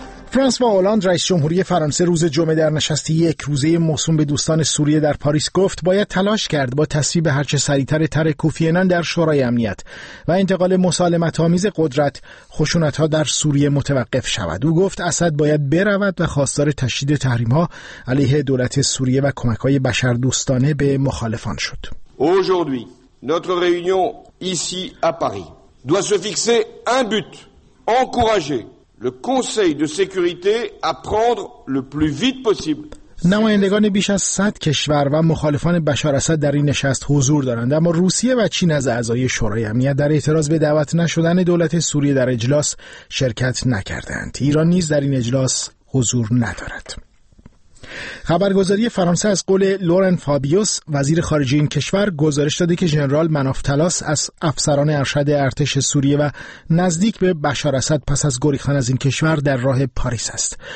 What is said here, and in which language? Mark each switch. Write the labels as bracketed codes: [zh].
[fa] فرانس و هلند رئیس جمهوری فرانسه روز جمعه در نشست یک روزه موسوم به دوستان سوریه در پاریس گفت باید تلاش کرد با تصویب هرچه سریعتر طرح کوفی انان در شورای امنیت و انتقال مسالمت‌آمیز قدرت خشونت‌ها در سوریه متوقف شود. او گفت اسد باید برود و خواستار تشدید تحریم‌ها علیه دولت سوریه و کمک‌های بشردوستانه به مخالفان شد. [fr] Aujourd'hui, notre réunion ici à Paris doit se fixer un but: encourager le conseil de sécurité à prendre le plus vite possible. [fa] نمایندگان بیش از 100 کشور و مخالفان بشار اسد در این نشست حضور دارند، اما روسیه و چین از اعضای شورای امنیت در اعتراض به دعوت نشدن دولت سوریه در اجلاس شرکت نکردند. ایران نیز در این اجلاس حضور ندارد. خبرگزاری فرانسه از قول لورن فابیوس وزیر خارجه این کشور گزارش داده که ژنرال مناف تلاس از افسران ارشد ارتش سوریه و نزدیک به بشار اسد پس از گریختن از این کشور در راه پاریس است.